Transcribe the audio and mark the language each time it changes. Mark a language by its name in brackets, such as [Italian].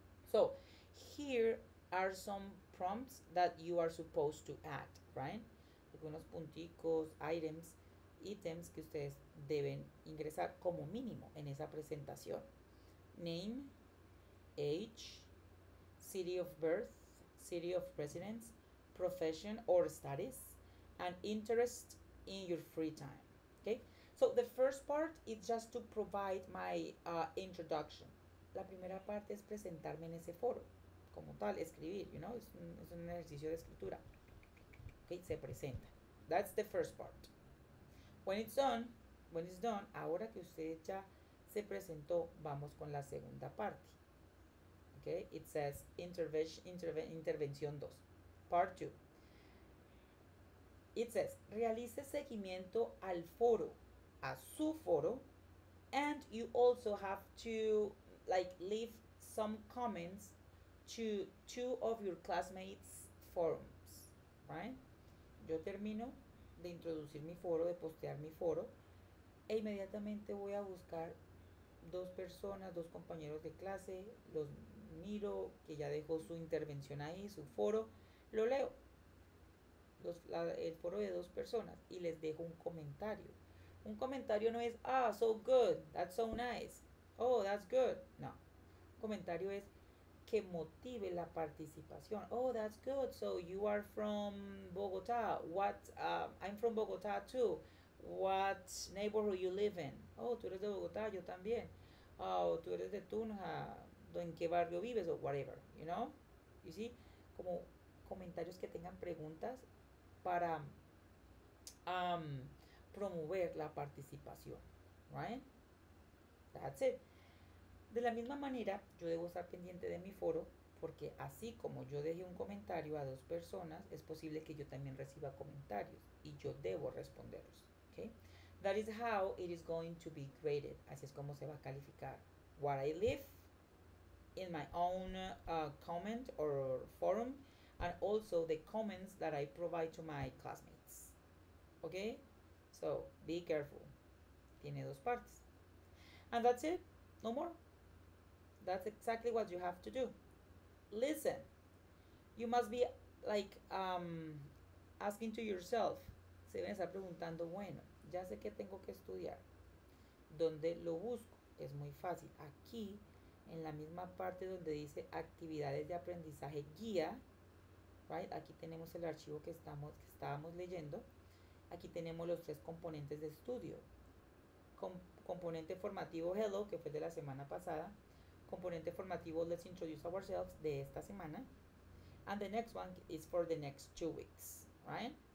[English] So, here are some prompts that you are supposed to add, right? [Spanish] Algunos punticos, ítems que ustedes deben ingresar como mínimo en esa presentación. [English] Name, age, city of birth, city of residence, profession or studies, and interest in your free time. Okay? So the first part is just to provide my introduction. [Spanish] La primera parte es presentarme en ese foro, como tal, escribir, [English] you know, [Spanish] es un ejercicio de escritura. Okay, se presenta. [English] That's the first part. When it's done, [Spanish] ahora que usted ya se presentó, vamos con la segunda parte. [English] Okay, it says intervención 2. Part 2. It says, [Spanish] realice seguimiento al foro, a su foro, [English] and you also have to, like, leave some comments to two of your classmates' forums, right? [Spanish] Yo termino de introducir mi foro, de postear mi foro, e inmediatamente voy a buscar dos personas, dos compañeros de clase, los miro, que ya dejó su intervención ahí, su foro, lo leo, el foro de dos personas, y les dejo un comentario. Un comentario no es, [English] ah, so good, that's so nice, oh, that's good, no. [Spanish] Comentario es que motive la participación. [English] Oh, that's good, so you are from Bogotá, I'm from Bogotá too, what neighborhood you live in, oh, [Spanish] tú eres de Bogotá, yo también, oh, tú eres de Tunja, en qué barrio vives, o [English] whatever, you know, you see, [Spanish] como comentarios que tengan preguntas para promover la participación, [English] right? That's it. [Spanish] De la misma manera, yo debo estar pendiente de mi foro, porque así como yo dejé un comentario a dos personas, es posible que yo también reciba comentarios y yo debo responderlos, okay? [English] That is how it is going to be graded. [Spanish] Así es como se va a calificar. [English] What I leave in my own comment or forum, and also the comments that I provide to my classmates. Okay? So, be careful. [Spanish] Tiene dos partes. [English] And that's it. No more. That's exactly what you have to do. Listen. You must be, like, asking to yourself. [Spanish] Se deben estar preguntando, bueno, ya sé que tengo que estudiar. ¿Dónde lo busco? Es muy fácil. Aquí, en la misma parte donde dice actividades de aprendizaje guía, right? Aquí tenemos el archivo que estábamos leyendo. Aquí tenemos los tres componentes de estudio. Componente formativo Hello, que fue de la semana pasada. Componente formativo Let's Introduce Ourselves, de esta semana. [English] And the next one is for the next 2 weeks, right?